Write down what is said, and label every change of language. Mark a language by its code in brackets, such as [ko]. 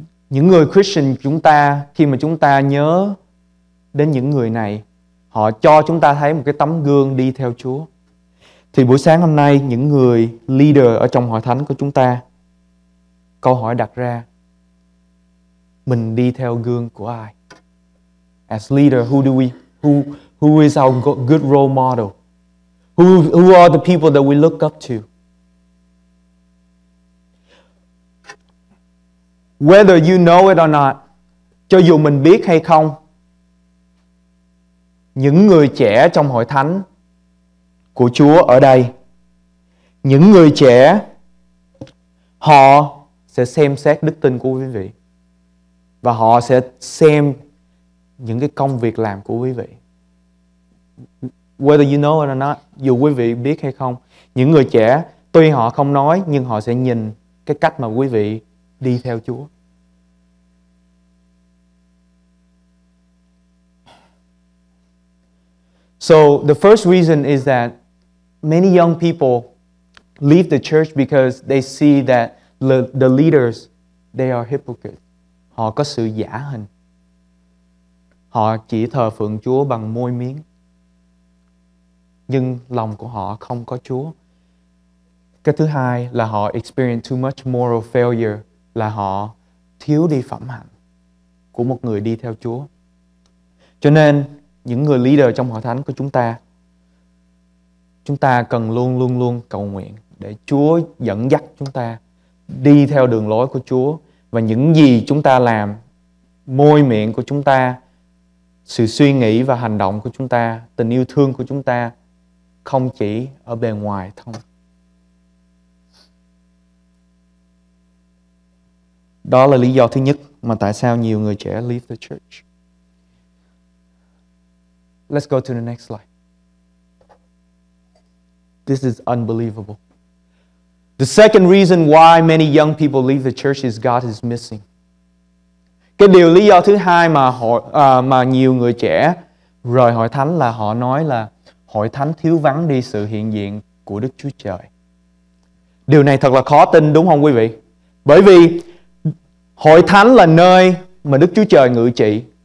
[vi] Những người Christian chúng ta, khi mà chúng ta nhớ đến những người này, họ cho chúng ta thấy một cái tấm gương đi theo Chúa. Thì buổi sáng hôm nay, những người leader ở trong hội thánh của chúng ta, câu hỏi đặt ra, mình đi theo gương của ai? [en] As leader, who is our good role model? Who are the people that we look up to? Whether you know it or not, [vi] cho dù mình biết hay không, những người trẻ trong hội thánh của Chúa ở đây, những người trẻ, họ sẽ xem xét đức tin của quý vị. Và họ sẽ xem những cái công việc làm của quý vị. [en] Whether you know it or not, [vi] dù quý vị biết hay không, những người trẻ, tuy họ không nói, nhưng họ sẽ nhìn cái cách mà quý vị đi theo Chúa. [en] So, the first reason is that many young people leave the church because they see that the leaders, they are hypocrites. [vi] Họ có sự giả hình. Họ chỉ thờ phượng Chúa bằng môi miệng, nhưng lòng của họ không có Chúa. Cái thứ hai là họ [en] experience too much moral failure, [vi] là họ thiếu đi phẩm hạnh của một người đi theo Chúa. Cho nên những người leader trong hội thánh của chúng ta cần luôn luôn luôn cầu nguyện để Chúa dẫn dắt chúng ta đi theo đường lối của Chúa, và những gì chúng ta làm, môi miệng của chúng ta, sự suy nghĩ và hành động của chúng ta, tình yêu thương của chúng ta, không chỉ ở bề ngoài thôi. Đó là lý do thứ nhất mà tại sao nhiều người trẻ [en] leave the church. Let's go to the next slide. This is unbelievable. The second reason why many young people leave the church is God is missing. [vi] Cái điều lý do thứ hai mà nhiều người trẻ rời hội thánh là họ nói là hội thánh thiếu vắng đi sự hiện diện của Đức Chúa Trời. Điều này thật là khó tin, đúng không quý vị? Bởi vì hội thánh là nơi mà Đức Chúa Trời ngự trị.